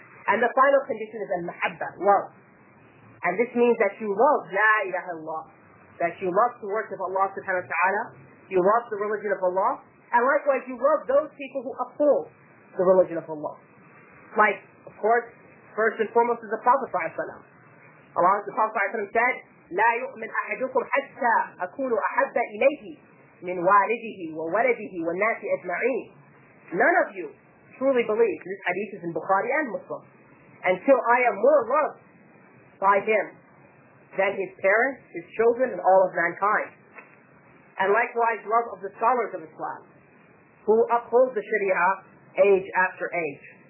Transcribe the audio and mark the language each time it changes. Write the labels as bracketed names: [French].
[English] And the final condition is Al-Mahabba, love. And this means that you love La ilaha illallah, that you love the works of Allah subhanahu wa ta'ala, you love the religion of Allah, and likewise you love those people who uphold the religion of Allah. Like, of course, first and foremost is the Prophet ﷺ. Allah, the Prophet ﷺ said, [Arabic] لَا يُؤْمِنْ أَحَدُكُمْ حَتَّى أَكُونُ أَحَبَّ إِلَيْهِ مِنْ وَالِدِهِ وَوَلَدِهِ وَالنَّاسِ أَجْمَعِينَ. [English] None of you truly believe, this hadith is in Bukhari and Muslim, until I am more loved by him than his parents, his children, and all of mankind. And likewise, love of the scholars of Islam, who uphold the Sharia age after age.